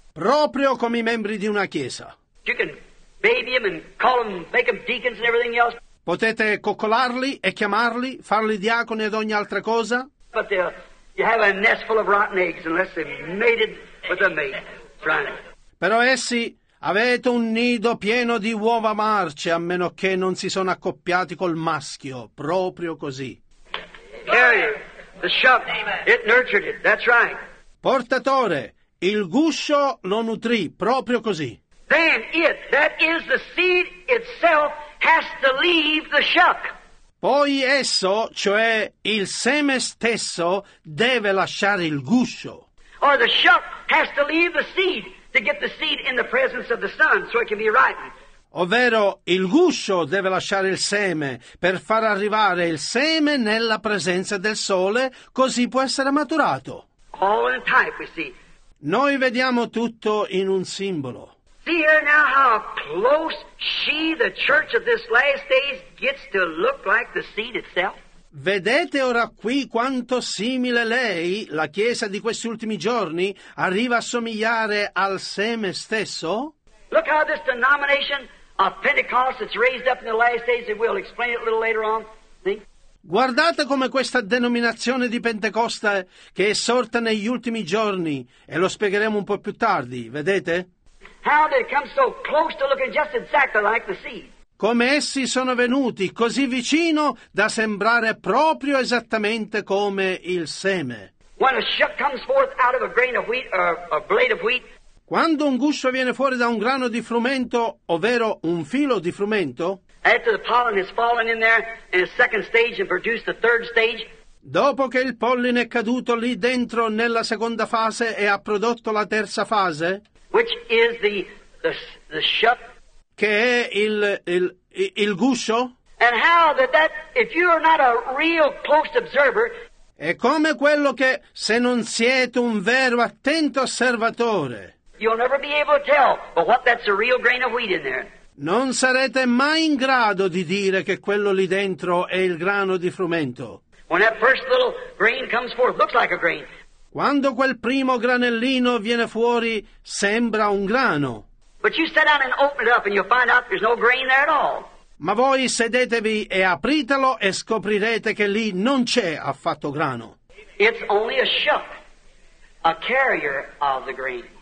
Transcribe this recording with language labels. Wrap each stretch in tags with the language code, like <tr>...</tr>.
<it>Proprio come i membri di una chiesa.</it> <en>You can baby them and call them, make them deacons and everything else.</en> <it>Potete coccolarli e chiamarli, farli diaconi ed ogni altra cosa.</it> <en>But they're... You have a nest full of rotten eggs unless they mated with a mate. Right.</en> <it>Però essi avete un nido pieno di uova marce a meno che non si sono accoppiati col maschio, proprio così.</it> <en>Carrier, the shuck, it nurtured it. That's right.</en> <it>Portatore, il guscio lo nutrì, proprio così.</it> <en>Then it, that is the seed itself, has to leave the shuck.</en> <it>Poi esso, cioè il seme stesso, deve lasciare il guscio.</it> <en>Or the shuck has to leave the seed to get the seed in the presence of the sun so it can be ripened.</en> <it>Ovvero il guscio deve lasciare il seme per far arrivare il seme nella presenza del sole, così può essere maturato.</it> <en>All in type, we see.</en> <it>Noi vediamo tutto in un simbolo.</it> <en>See here now how close she, the church of this last days, gets to look like the seed itself.</en> <it>Vedete ora qui quanto simile lei, la chiesa di questi ultimi giorni, arriva a somigliare al seme stesso?</it> <en>Look how this denomination of Pentecost that's raised up in the last days, and we'll explain it a little later on. See?</en> <it>Guardate come questa denominazione di Pentecoste che è sorta negli ultimi giorni, e lo spiegheremo un po' più tardi, vedete?</it> <en>How did it come so close to looking just exactly like the seed?</en> <it>Come essi sono venuti così vicino da sembrare proprio esattamente come il seme.</it> <en>When a shuck comes forth out of a grain of wheat or a blade of wheat.</en> <it>Quando un guscio viene fuori da un grano di frumento, ovvero un filo di frumento,</it> <en>after the pollen has fallen in there in a second stage and produced the third stage.</en> <it>Dopo che il polline è caduto lì dentro nella seconda fase e ha prodotto la terza fase,</it> <en>which is the shuck,</en> <it>che è il guscio,</it> <en>and how that if you are not a real close observer.</en> <it>È come quello che, se non siete un vero attento osservatore,</it> <en>you'll never be able to tell what that's a real grain of wheat in there.</en> <it>Non sarete mai in grado di dire che quello lì dentro è il grano di frumento.</it> <en>When that first little grain comes forth, looks like a grain.</en> <it>Quando quel primo granellino viene fuori, sembra un grano.</it> <en>But you sit down and open it up and you'll find out there's no grain there at all.</en> <it>Ma voi sedetevi e apritelo e scoprirete che lì non c'è affatto grano.</it> <en>It's only a shuck, a carrier of the grain.</en>